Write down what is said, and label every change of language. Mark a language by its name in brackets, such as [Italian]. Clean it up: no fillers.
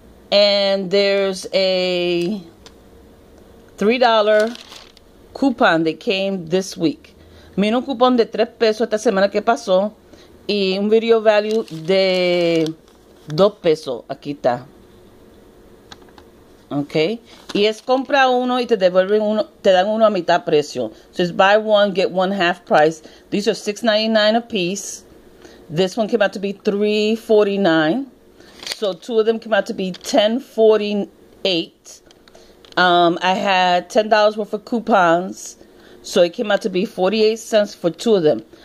[English] And there's a $3 coupon that came this week. [Spanish] Miro un cupón de 3 pesos esta semana que pasó y un video value de 2 pesos. Aquí está. Okay. Y es compra uno y te devuelven uno, te dan uno a mitad precio. [English] So it's buy one, get one half price. These are $6.99 a piece. This one came out to be $3.49. So two of them came out to be $10.48. I had $10 worth of coupons. So it came out to be 48 cents for two of them.